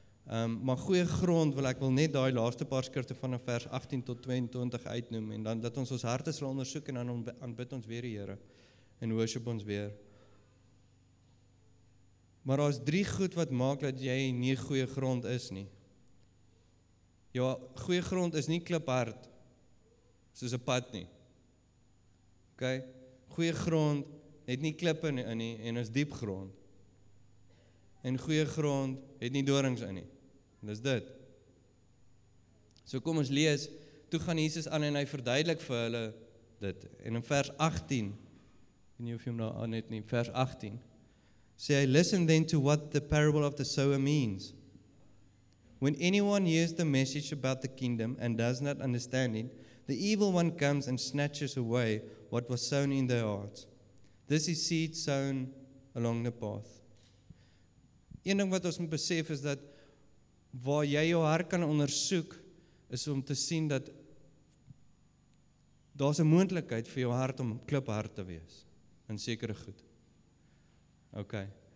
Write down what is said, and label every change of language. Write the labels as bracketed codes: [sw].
[af] Maar goeie grond wil ek wil net die laaste paar skrifte van vers 18 tot 22 uitnoem en dan dat ons harte sal ondersoek en dan aanbid ons weer die Here en [en] worship [af] ons weer. Maar daar is drie goed wat maak dat jy nie goeie grond is nie. Ja, goeie grond is nie kliphard, soos 'n pad nie. Ok, goeie grond het nie klippe in nie en is diep grond. En goeie grond het nie dorings in nie. En dis dit. So kom ons lees, toe gaan Jesus aan en hy verduidelik vir hulle dit. En in vers 18, ek weet nie of jy hom daar aan het nie, vers 18, [en] say, listen then to what the parable of the sower means. When anyone hears the message about the kingdom and does not understand it, the evil one comes and snatches away what was sown in their hearts. This is seed sown along the path. [af] Een ding wat ons moet besef is dat waar jy jou hart kan ondersoek, is om te sien dat daar's 'n moontlikheid vir jou hart om kliphard te wees in sekere goed. Oké, okay.